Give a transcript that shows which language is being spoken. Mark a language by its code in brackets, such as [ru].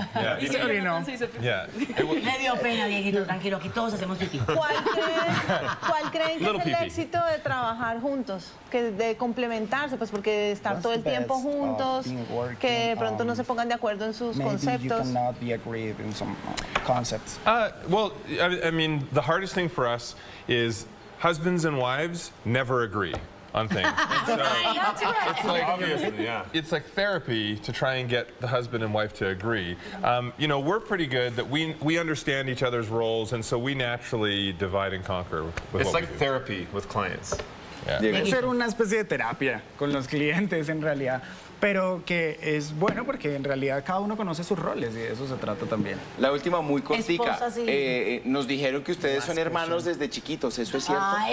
[en] yeah, [es] y se orinó. Me dio pena, viejito, tranquilo, que todos hacemos pipí. ¿Cuál creen que es el éxito de trabajar juntos? Que de complementarse, pues porque de estar todo el tiempo juntos, que de pronto no se pongan de acuerdo en sus conceptos. [en] Maybe you cannot be agreed in some concepts. Well, I mean, the hardest thing for us is husbands and wives never agree. On things. It's like therapy to try and get the husband and wife to agree. You know, we're pretty good that we understand each other's roles, and so we naturally divide and conquer. It's like therapy with clients. [es] Debe ser una especie de terapia con los clientes en realidad, pero que es bueno porque en realidad cada uno conoce sus roles y de eso se trata también. La última muy cortica. Sí. Nos dijeron que ustedes son hermanos desde chiquitos, ¿eso es cierto?